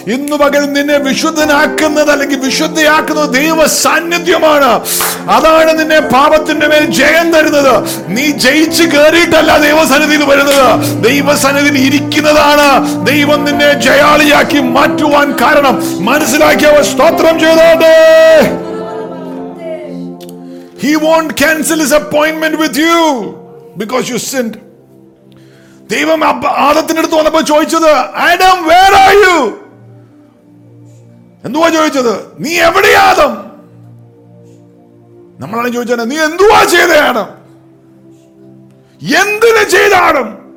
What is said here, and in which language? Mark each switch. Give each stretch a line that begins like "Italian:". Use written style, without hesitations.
Malayalam: ഇന്ന് പകൽ നിന്നെ വിശുദ്ധനാക്കുന്നത് അല്ലെങ്കിൽ വിശുദ്ധയാക്കുന്നത് ദൈവ സാന്നിധ്യമാണ്. അതാണ് നിന്നെ പാപത്തിന്റെ മേൽ ജയം തരുന്നത്. നീ ജയിച്ച് കയറിയിട്ടല്ല ദൈവസന്നിധിയിൽ വരുന്നത്, ദൈവസന്നിധിയിൽ ഇരിക്കുന്നതാണ് ദൈവം നിന്നെ ജയാളിയാക്കി മാറ്റുവാൻ കാരണം. മനസ്സിലാക്കിയവർ സ്തോത്രം ചെയ്തോട്ടെ.
English: He won't cancel his appointment with you because you sinned.
Malayalam: ദൈവം ആദത്തിന്റെ അടുത്ത് വന്നപ്പോൾ ചോദിച്ചത് ആദം
English: where are you,
Malayalam: എന്തുവാ ചോദിച്ചത്, നീ എവിടെയാ ആദം. നമ്മളാണ് ചോദിച്ചത് നീ എന്തുവാ ചെയ്ത ആദം, എന്തിനു ചെയ്ത ആദം.